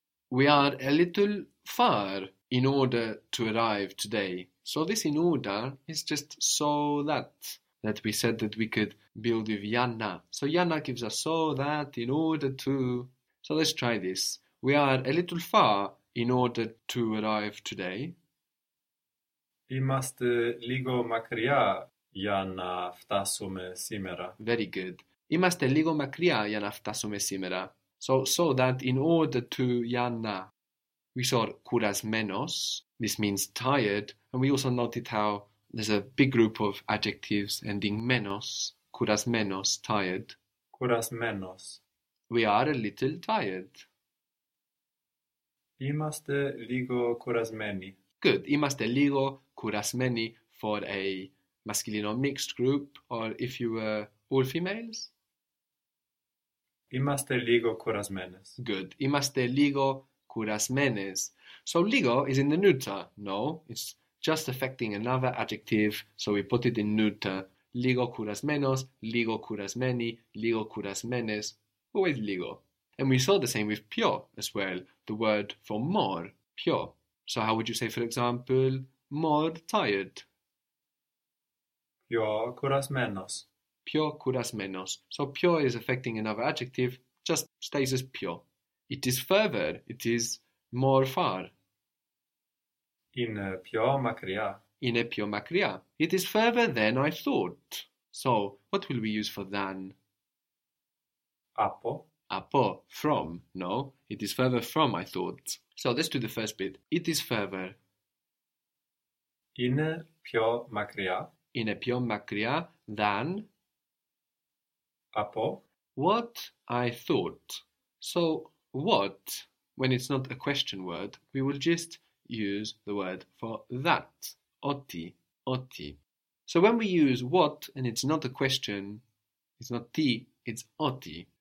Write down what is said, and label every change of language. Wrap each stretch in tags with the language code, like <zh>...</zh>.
<en>We are a little far in order to arrive today. So this in order is just so that we said that we could build with Yana. So Yana gives us so that in order to. So let's try this. We are a little far in order to arrive today.</en> <el>Είμαστε λίγο μακριά για να φτάσουμε σήμερα.</el> <en>Very good.</en> <el>Είμαστε λίγο μακριά για να φτάσουμε σήμερα.</el> <en>So that in order to Yana. We saw kurasmenos. This means tired. And we also noted how there's a big group of adjectives ending menos. Kurasmenos, tired.</en> <el>Κουρασμένος.</el> <en>We are a little tired.</en> <el>Είμαστε λίγο κουρασμένοι.</el> <en>Good.</en> <el>Είμαστε λίγο κουρασμένοι</el> <en>for a masculine or mixed group, or if you were all females.</en> <el>Είμαστε λίγο κουρασμένες.</el> <en>Good.</en> <el>Είμαστε λίγο κουρασμένες.</el> <en>So λίγο is in the neuter. No, it's just affecting another adjective, so we put it in neuter.</en> <el>Λίγο κουρασμένος, λίγο κουρασμένη, λίγο κουρασμένες.</el> <en>Always λίγο. And we saw the same with πιο as well, the word for more, πιο. So how would you say, for example, more tired?</en> <el>Πιο κουρασμένος. Πιο κουρασμένος.</el> <en>So πιο is affecting another adjective, just stays as πιο. It is further, it is more far.</en> <el>Είναι πιο μακριά. Είναι πιο μακριά.</el> <en>It is further than I thought. So, what will we use for than?</en> <el>Από.</el> <en>Από, from, no? It is further from I thought. So, let's do the first bit. It is further.</en> <el>Είναι πιο μακριά. Είναι πιο μακριά</el> <en>than</en> <el>Από.</el> <en>what I thought. So, what, when it's not a question word, we will just use the word for that. Oti, oti. So when we use what and it's not a question, it's not ti, it's oti.</en>